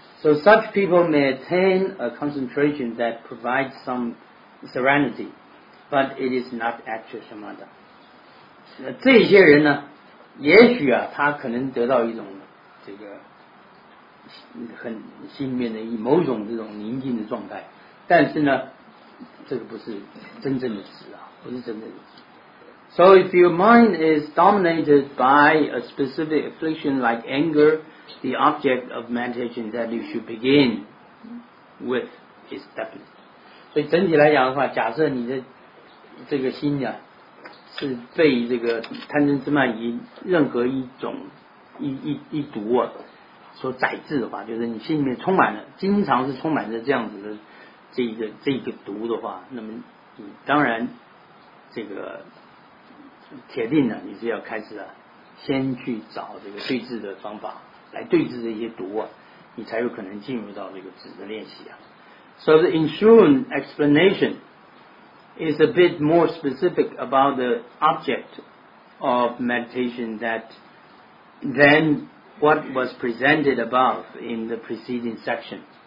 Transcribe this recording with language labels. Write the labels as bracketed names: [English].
[English] So such people may attain a concentration that provides some serenity but it is not actual shamatha。 [Chinese] 这些人呢，也许啊他可能得到一种这个很心里面的某种这种宁静的状态，但是呢这个不是真正的止啊，不是真正的止。 [English] So if your mind is dominated by a specific affliction like anger, the object of meditation that you should begin with is definite。 [Chinese] 所以整体来讲的话，假设你的这个心啊是被这个贪嗔痴慢疑任何一种 一毒啊所宰制的话，就是你心里面充满了，经常是充满着这样子的这个毒的话，那么你当然这个铁定呢，你是要开始啊，先去找这个对治的方法来对治这些毒啊，你才有可能进入到这个止的练习啊。 [English] So the ensuing explanation is a bit more specific about the object of meditation than what was presented above in the preceding section.